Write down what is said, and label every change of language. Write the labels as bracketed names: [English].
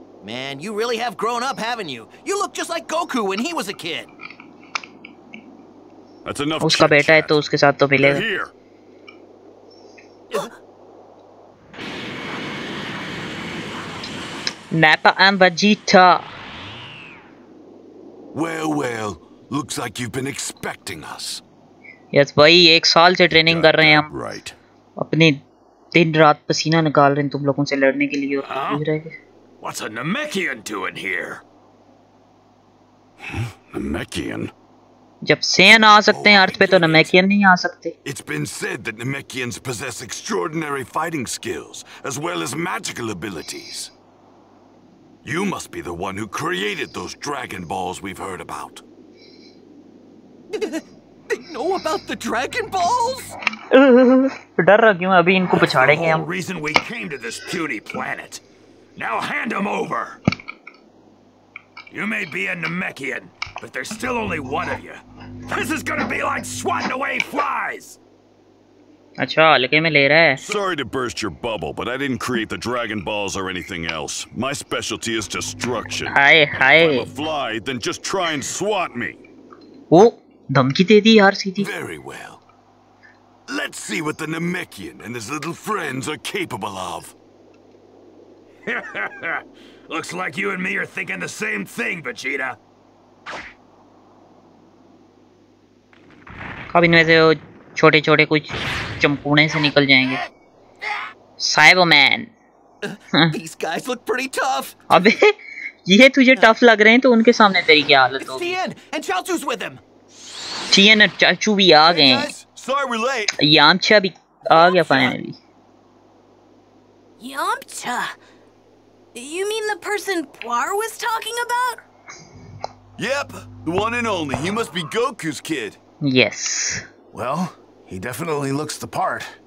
[English] Man, you really have grown up, haven't you? You look just like Goku when he was a kid. That's enough. [Hindi] उसका बेटा है तो उसके साथ तो मिलेगा। [English] Nappa and Vegeta. Well, well, looks like you've been expecting us. [Hindi] Yes, भाई, एक साल से ट्रेनिंग कर रहे हैं हम। [English] Right. [Hindi] अपने दिन रात पसीना निकाल रहे हैं तुम लोगों से लड़ने के लिए, और भूल रहे हैं। [English] What's a Namekian doing here? Namekian? [Hindi] जब सैन आ सकते हैं अर्थ पे तो नमेकियन नहीं आ सकते। [English] It's been said that Namekians possess extraordinary fighting skills as well as magical abilities. You must be the one who created those dragon balls we've heard about. They know about the dragon balls? [Hindi] डर रहा हूं अभी इनको पछाड़ेंगे हम। [English] The reason we came to this puny planet. Now hand them over. You may be a Namekian, but there's still only one of you. This is gonna be like swatting away flies. [Hindi] अच्छा, लेकिन मैं ले रहा है। [English] Sorry to burst your bubble, but I didn't create the Dragon Balls or anything else. My specialty is destruction. Hi, hi. If I'm a fly, then just try and swat me. [Hindi] ओ, धमकी दे दी यार सीधी। [English] Very well. Let's see what the Namekian and his little friends are capable of. Looks like you and me are thinking the same thing, Vegeta. [Hindi] अब इनमें से वो छोटे छोटे कुछ चमकूने से निकल जाएंगे। साइबरमैन। [English] These guys look pretty tough. [Hindi] अबे ये तुझे टफ लग रहे हैं तो उनके सामने तेरी क्या हालत होगी? [English] Tien and Chalchu's with him. [Hindi] Tien और Chalchu भी आ गए। [English] Sorry we're late. [Hindi] Yamcha भी आ गया finally. [English] Yamcha? You mean the person Poir was talking about? Yep, the one and only. He must be Goku's kid. Yes. Well, he definitely looks the part.